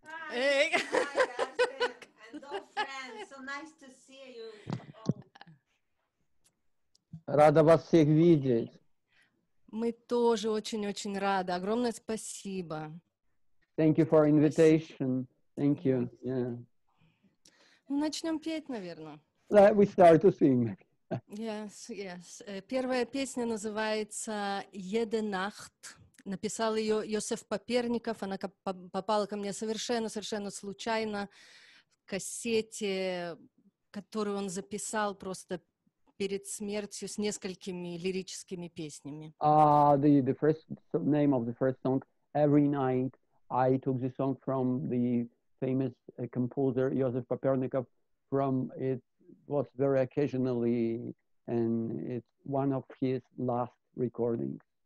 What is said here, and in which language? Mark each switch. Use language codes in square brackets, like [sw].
[en] Hi, Karsten, and all friends. So nice to see you. [ru] Рада вас всех видеть. Мы тоже очень-очень рады. Огромное спасибо. [en] Thank you for invitation. Thank you. Yeah. [ru] Ну, начнем петь, наверное. [en] Let we start to sing. Yes, yes. [ru] Первая песня называется «Jede Nacht». Написал ее Йосеф Поперников. Она попала ко мне совершенно-совершенно случайно в кассете, которую он записал просто перед смертью с несколькими лирическими песнями. [en] The first name of the first song, Every Night, I took the song from the famous composer Josef Papernikov from, it was very occasionally, and it's one of his last recordings.